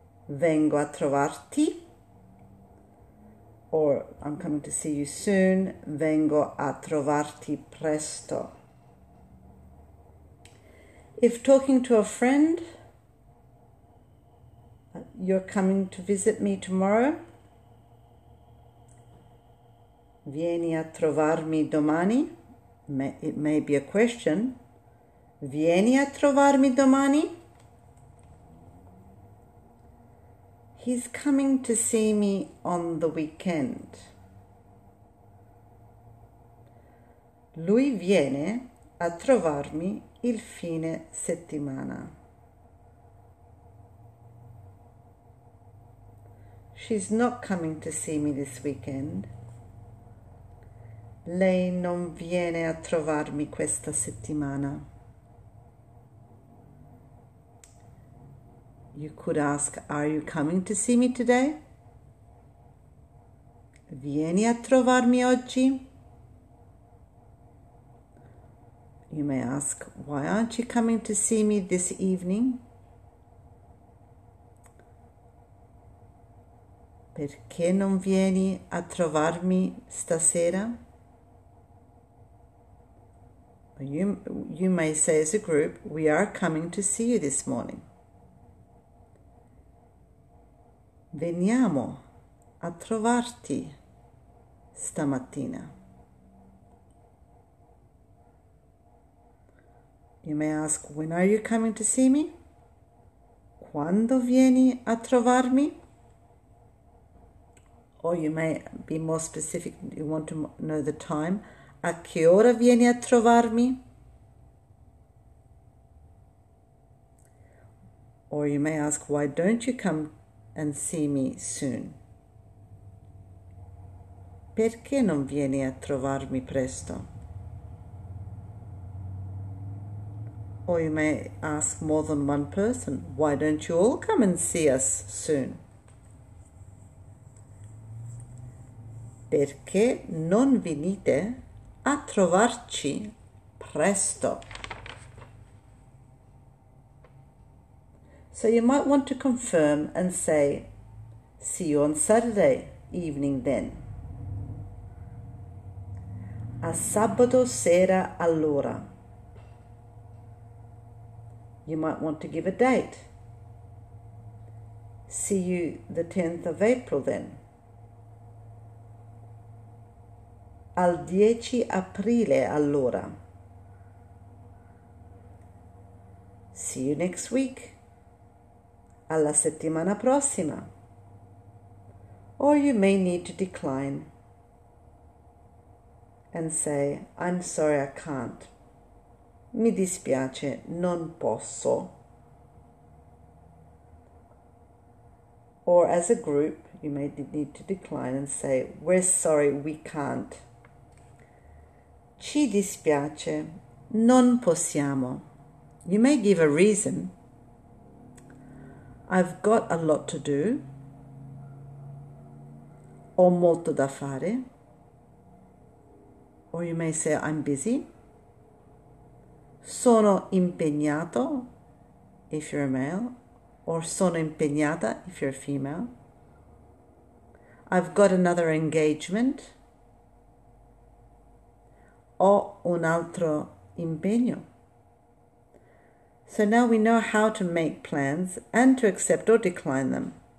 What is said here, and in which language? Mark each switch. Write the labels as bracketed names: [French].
[Italian] Vengo a trovarti. [English] Or I'm coming to see you soon. [Italian] Vengo a trovarti presto. [English] If talking to a friend, you're coming to visit me tomorrow. [Italian] Vieni a trovarmi domani. [English] It may be a question. [Italian] Vieni a trovarmi domani. [English] He's coming to see me on the weekend. [Italian] Lui viene a trovarmi il fine settimana. [English] She's not coming to see me this weekend. [Italian] Lei non viene a trovarmi questa settimana. [English] You could ask, are you coming to see me today? [Italian] Vieni a trovarmi oggi? [English] You may ask, why aren't you coming to see me this evening? [Italian] Perché non vieni a trovarmi stasera? [English] You may say as a group, we are coming to see you this morning. [Italian] Veniamo a trovarti stamattina. [English] You may ask, when are you coming to see me? [Italian] Quando vieni a trovarmi? [English] Or you may be more specific, you want to know the time. [Italian] A che ora vieni a trovarmi? [English] Or you may ask, why don't you come and see me soon? [Italian] Perché non vieni a trovarmi presto? [English] Or you may ask more than one person, why don't you all come and see us soon? [Italian] Perché non venite a trovarci presto. [English] So you might want to confirm and say, see you on Saturday evening then. [Italian] A sabato sera allora. [English] You might want to give a date. See you the 10th of April then. [Italian] Al 10 aprile allora. [English] See you next week. [Italian] Alla settimana prossima. [English] Or you may need to decline and say, I'm sorry, I can't. [Italian] Mi dispiace, non posso. [English] Or as a group, you may need to decline and say, we're sorry, we can't. [Italian] Ci dispiace, non possiamo. [English] You may give a reason. I've got a lot to do. [Italian] Ho molto da fare. [English] Or you may say, I'm busy. [Italian] Sono impegnato, [English] if you're a male. Or [Italian] sono impegnata, [English] if you're a female. I've got another engagement. [Italian] Ho un altro impegno. [English] So now we know how to make plans and to accept or decline them.